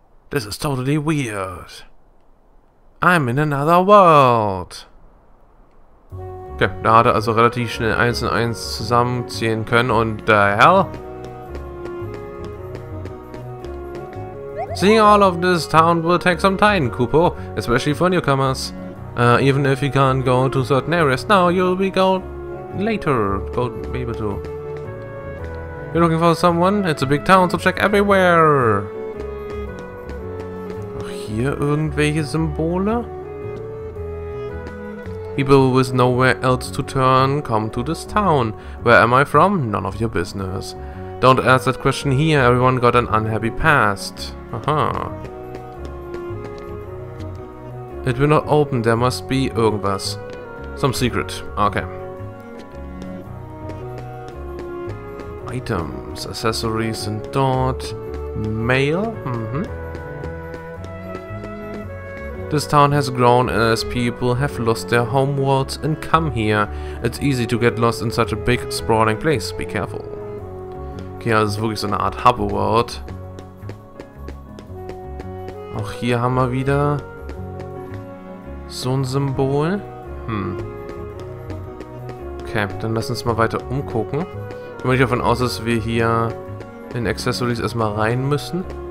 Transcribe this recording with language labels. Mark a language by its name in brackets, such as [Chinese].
[English] This is totally weird. I'm in another world. [German] Okay, da hat er also relativ schnell 1 und 1 zusammenziehen können. [English] Und the hell? Seeing all of this town will take some time, Kupo. Especially for newcomers. Even if you can't go to certain areas now, you'll be gold later. Gold, maybe too. You're looking for someone? It's a big town, so check everywhere. [German] Ach, hier irgendwelche Symbole? [English] People with nowhere else to turn come to this town. Where am I from? None of your business. Don't ask that question here. Everyone got an unhappy past. Aha. It will not open. There must be irgendwas. Some secret. Okay. Items, accessories, and dot. Mail? Mm-hmm. This town has grown as people have lost their homeworlds and come here. It's easy to get lost in such a big, sprawling place. Be careful. [German] Okay, also es ist wirklich so eine Art Hub-World. Auch hier haben wir wieder so ein Symbol. Hm. Okay, dann lass uns mal weiter umgucken. Ich gehe mal nicht davon aus, dass wir hier in Accessories erstmal rein müssen.